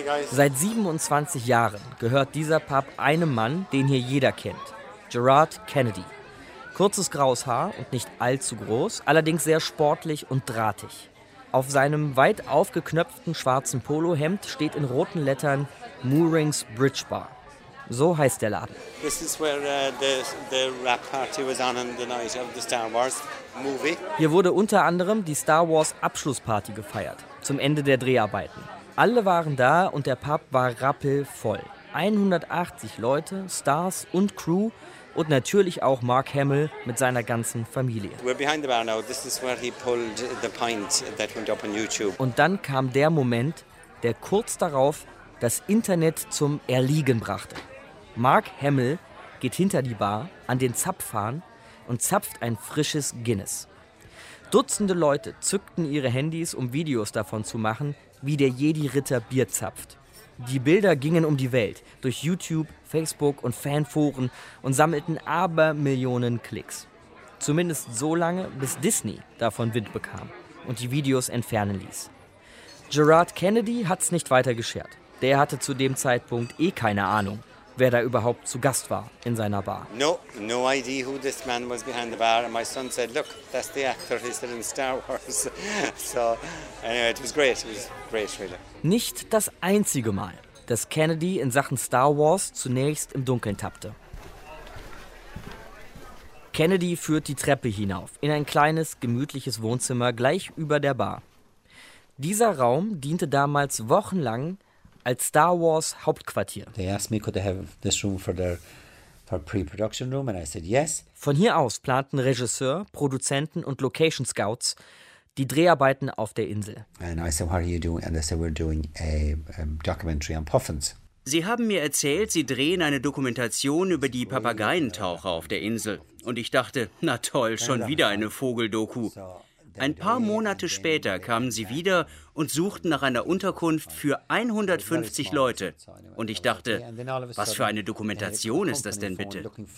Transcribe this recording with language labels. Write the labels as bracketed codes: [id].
[de] Seit 27 Jahren gehört dieser Pub einem Mann, den hier jeder kennt: Gerard Kennedy. Kurzes graues Haar und nicht allzu groß, allerdings sehr sportlich und drahtig. Auf seinem weit aufgeknöpften schwarzen Polohemd steht in roten Lettern Moorings Bridge Bar. So heißt der Laden. [en] This is where the rap party was on the night of the Star Wars movie. [de] Hier wurde unter anderem die Star Wars Abschlussparty gefeiert, zum Ende der Dreharbeiten. Alle waren da und der Pub war rappelvoll. 180 Leute, Stars und Crew. Und natürlich auch Mark Hamill mit seiner ganzen Familie. [en] We're behind the bar now. This is where he pulled the pint that went up on YouTube. [de] Und dann kam der Moment, der kurz darauf das Internet zum Erliegen brachte. Mark Hamill geht hinter die Bar an den Zapfhahn und zapft ein frisches Guinness. Dutzende Leute zückten ihre Handys, um Videos davon zu machen, wie der Jedi-Ritter Bier zapft. Die Bilder gingen um die Welt, durch YouTube, Facebook und Fanforen und sammelten Abermillionen Klicks. Zumindest so lange, bis Disney davon Wind bekam und die Videos entfernen ließ. Gerard Kennedy hat's nicht weiter geschert. Der hatte zu dem Zeitpunkt eh keine Ahnung, wer da überhaupt zu Gast war in seiner Bar. [en] No, no idea who this man was behind the bar. And my son said, look, that's the actor he said in Star Wars. So, anyway, it was great. It was great, really. [de] Nicht das einzige Mal, dass Kennedy in Sachen Star Wars zunächst im Dunkeln tappte. Kennedy führt die Treppe hinauf in ein kleines, gemütliches Wohnzimmer gleich über der Bar. Dieser Raum diente damals wochenlang als Star Wars Hauptquartier. [en] They asked me, could they have this room for their pre-production room, and I said yes. [de] Von hier aus planten Regisseur, Produzenten und Location Scouts die Dreharbeiten auf der Insel. [en] And I said, what are you doing? And they said, we're doing a documentary on puffins. [de] Sie haben mir erzählt, Sie drehen eine Dokumentation über die Papageientaucher auf der Insel. Und ich dachte, na toll, schon wieder eine Vogeldoku. Ein paar Monate später kamen sie wieder und suchten nach einer Unterkunft für 150 Leute. Und ich dachte, was für eine Dokumentation ist das denn bitte?